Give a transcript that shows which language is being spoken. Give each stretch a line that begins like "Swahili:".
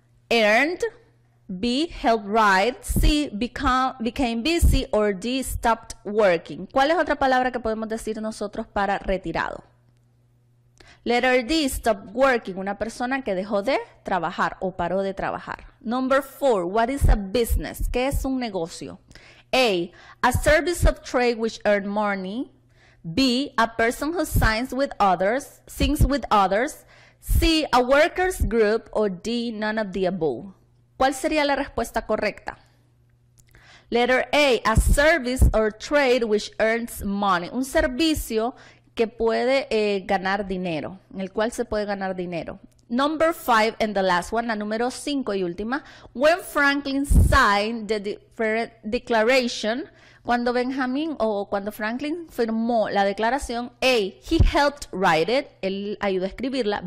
English: Earned, B, help write, C, became busy, or D, stopped working.
Spanish: ¿Cuál es otra palabra que podemos decir nosotros para retirado?
English: Letter D, stopped working.
Spanish: Una persona que dejó de trabajar o paró de trabajar.
English: Number 4, what is a business?
Spanish: ¿Qué es un negocio?
English: A, a service of trade which earns money. B, a person who signs with others, sings with others. C, a workers group. O D, none of the above.
Spanish: ¿Cuál sería la respuesta correcta?
English: Letter A, a service or trade which earns money.
Spanish: Un servicio que puede ganar dinero, en el cual se puede ganar dinero.
English: Number 5 and the last one,
Spanish: la número 5 y última.
English: When Franklin signed the declaration,
Spanish: cuando Benjamin o cuando Franklin firmó la declaración,
English: A, he helped write it,
Spanish: él ayudó a escribirla.